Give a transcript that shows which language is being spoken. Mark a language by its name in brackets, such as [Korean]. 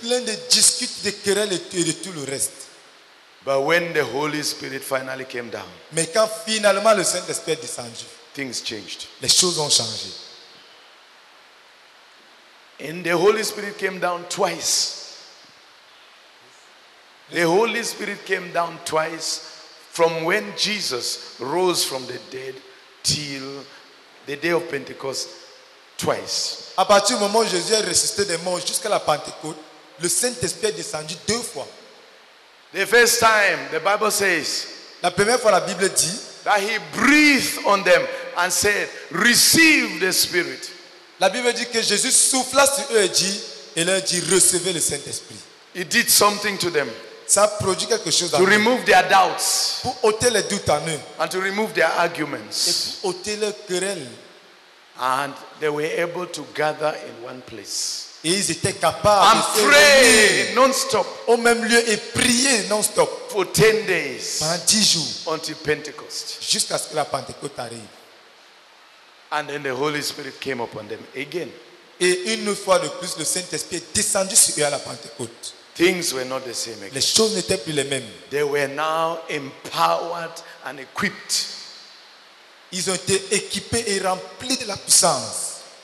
[French] Plein de disputes, de querelles et de tout le reste. [English] But when the Holy Spirit finally came down, [French] mais quand finalement le Saint-Esprit descendu, [English] things changed. [French] Les choses ont changé. [English] And the Holy Spirit came down twice. The Holy Spirit came down twice. From when Jesus rose from the dead till the day of Pentecost, twice. [French] À partir du moment où Jésus a ressuscité des morts jusqu'à la Pentecôte, le Saint-Esprit est descendu 2 fois. [English] The first time, the Bible says, [French] la première fois, la Bible dit, [English] that he breathed on them and said, receive the Spirit. [French] La Bible dit que Jésus souffla sur eux et leur dit, recevez le Saint-Esprit. [English] He did something to them. [French] Ça produit quelque chose [English] to remove their doubts, [French] pour ôter les doutes en eux, [English] and to remove their arguments, [French] et pour ôter leurs querelles. [English] And they were able to gather in one place. [French] Et ils étaient capables [English] and de pray non-stop [French] au même lieu et prier non-stop [English] for 10 days [French] pendant 10 jours [English] until Pentecost, [French] jusqu'à ce que la Pentecôte arrive. [English] And then the Holy Spirit came upon them again. [French] Et une fois de plus, le Saint-Esprit est descendu sur eux à la Pentecôte. [English] Things were not the same again. [French] Les choses n'étaient plus les mêmes. [English] They were now empowered and equipped. [French] Ils ont été équipés et remplis de la puissance.